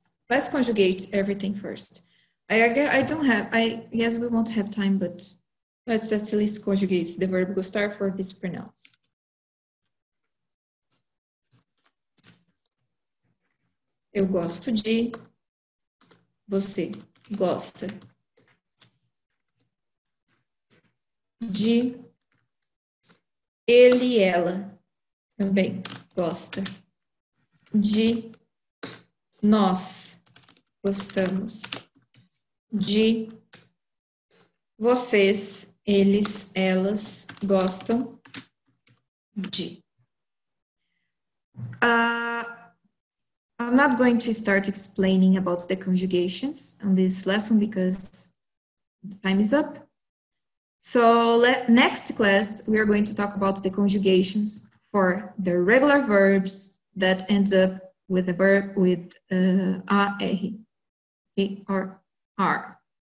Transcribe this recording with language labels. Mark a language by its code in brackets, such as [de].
[en] Let's conjugate everything first. I guess we won't have time, but let's at least conjugate the verb gostar for these pronouns. [pt] Eu gosto de, você gosta de, ele e ela também gosta de, nós gostamos de, vocês, eles, elas gostam de. [en] I'm not going to start explaining about the conjugations on this lesson because the time is up. So next class, we are going to talk about the conjugations for the regular verbs that end up with a verb with a r.